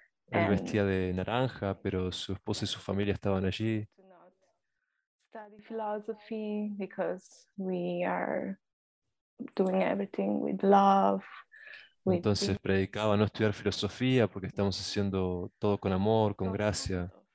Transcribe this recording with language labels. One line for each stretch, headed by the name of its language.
Spanish: Él vestía de naranja, pero su esposa y su familia estaban allí.
English: Study philosophy because we are doing everything with love.
Spanish: Entonces predicaba no estudiar filosofía porque estamos haciendo todo con amor, con gracia.